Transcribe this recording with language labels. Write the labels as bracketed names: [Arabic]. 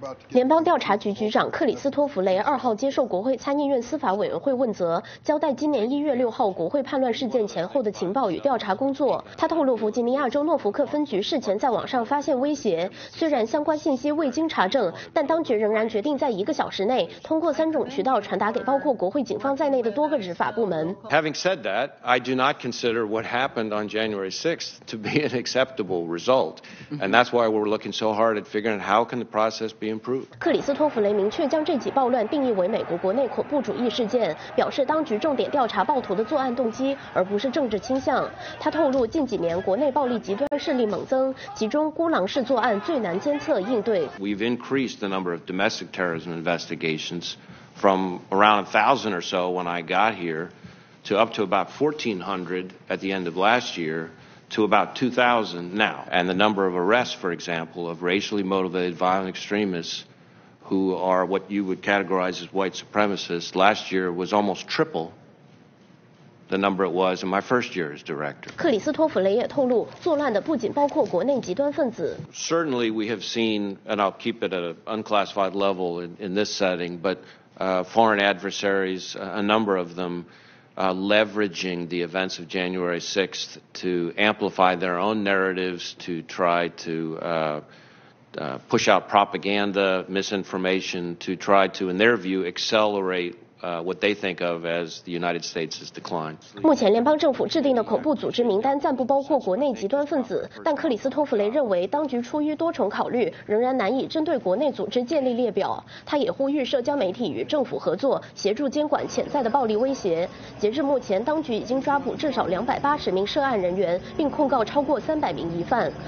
[Chinese] 联邦调查局局长克里斯托弗雷二号接受国会参议院司法委员会问责，交代今年1月6号国会叛乱事件前后的情报与调查工作。他透露，弗吉尼亚州诺福克分局事前在网上发现威胁，虽然相关信息未经查证，但当局仍然决定在1个小时内通过3种渠道传达给包括国会警方在内的多个执法部门。 [English] Having said that, I do not consider what happened on January 6th to be an acceptable result, and that's why we're looking so hard at figuring how can the process. [Chinese] 克里斯托弗雷明确将这起暴乱定义为美国国内恐怖主义事件，表示当局重点调查暴徒的作案动机，而不是政治倾向。他透露，近几年国内暴力极端势力猛增，其中孤狼式作案最难监测应对。 [English] We've increased the number of domestic terrorism investigations from around 1,000 or so when I got here to up to about 1,400 at the end of last year. To about 2,000 now, and the number of arrests, for example, of racially motivated violent extremists, who are what you would categorize as white supremacists, last year was almost triple. The number it was in my first year as director. [Chinese] 克里斯托弗雷也透露，作乱的不仅包括国内极端分子。 [English] Certainly, we have seen, and I'll keep it at an unclassified level in this setting, but foreign adversaries, a number of them. Leveraging the events of January 6th to amplify their own narratives, to try to push out propaganda, misinformation, to try to, in their view, accelerate. What they think of as the United States' decline. [Chinese] 目前联邦政府制定的恐怖组织名单暂不包括国内极端分子，但克里斯托弗雷认为，当局出于多重考虑，仍然难以针对国内组织建立列表。他也呼吁社交媒体与政府合作，协助监管潜在的暴力威胁。截至目前，当局已经抓捕至少280名涉案人员，并控告超过300名疑犯。